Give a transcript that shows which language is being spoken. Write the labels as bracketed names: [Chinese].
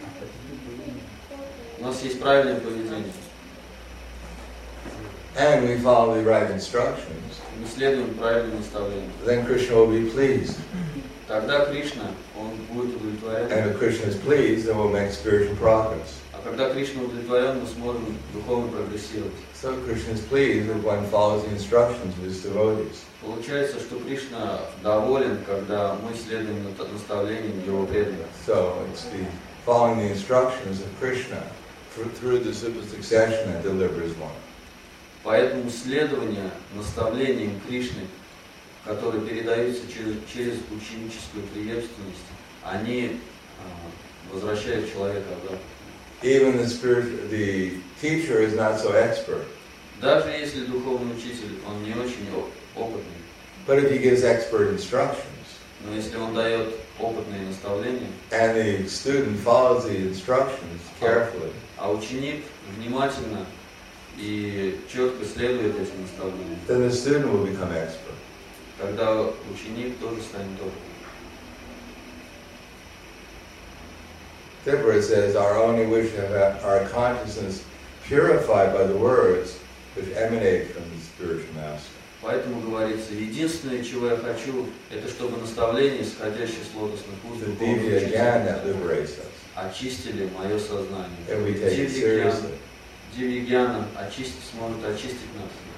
[Russian] Поведение. У нас есть правильное поведение. [English] And we follow the right instructions. [Russian] Мы следуем правильным наставлениям. [English] Then Krishna will be pleased. [Russian] Тогда Кришна, он будет удовлетворен. [English] And if Krishna is pleased, then we'll make spiritual progress. [Russian] А когда Кришна удовлетворен, мы сможем духовно прогрессировать. [English] So Krishna is pleased if one follows the instructions of his devotees. [Russian] Получается, что Кришна доволен, когда мы следуем наставлениям его преданных. [English] So it's the following the instructions of Krishna through the simple succession that delivers one. [Russian] Поэтому следование наставлениям Кришны, которые передаются через ученическую преемственность, они возвращают человека обратно. [English] Even the teacher is not so expert. [Russian] Даже если духовный учитель, он не очень опытный. [English] But if he gives expert instructions, [Russian] но если он дает опытные наставления, [English] and the student follows the instructions carefully, [Russian] а ученик внимательно и четко следует этим наставлениям, [English] then the student will become expert. [Russian] Тогда ученик тоже станет опытным. [English] Therefore it says, our only wish to have our consciousness purified by the words which emanate from the spiritual master. [Russian] Поэтому говорится, единственное, чего я хочу, это чтобы наставления, исходящие с лотосных уст, очистили мое сознание. [English] And we take it seriously. [Russian] Дивигьяна очистить сможет очистить нас.